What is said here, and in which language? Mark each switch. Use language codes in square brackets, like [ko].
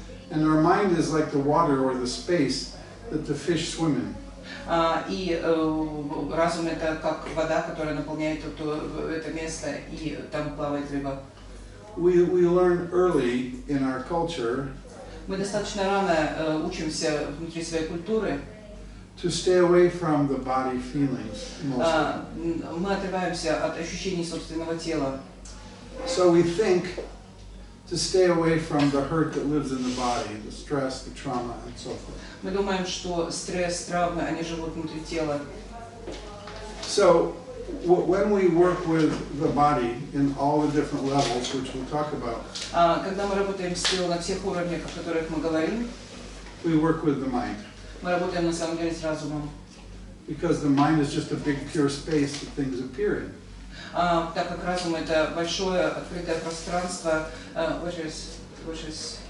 [en] And our mind is like the water or the space that the fish swim in. [ru] И разум это как вода, которая наполняет это место и там плавает рыба. [en] We learn early in our culture. [ru] Мы достаточно рано учимся внутри своей культуры. [en] To stay away from the body feelings. [ru] Мы отрываемся от ощущений собственного тела. [en] So we think, to stay away from the hurt that lives in the body, the stress, the trauma, and so forth. [ru] Мы думаем, что стресс, травмы, они живут внутри тела. [en] So, when we work with the body in all the different levels, which we'll talk about, [ru] когда мы работаем с телом на всех уровнях, о которых мы говорим, [en] we work with the mind. [ru] Мы работаем на самом деле с разумом. [en] Because the mind is just a big pure space that things appear in. [ru] Так как разум это большое открытое пространство, [en] which is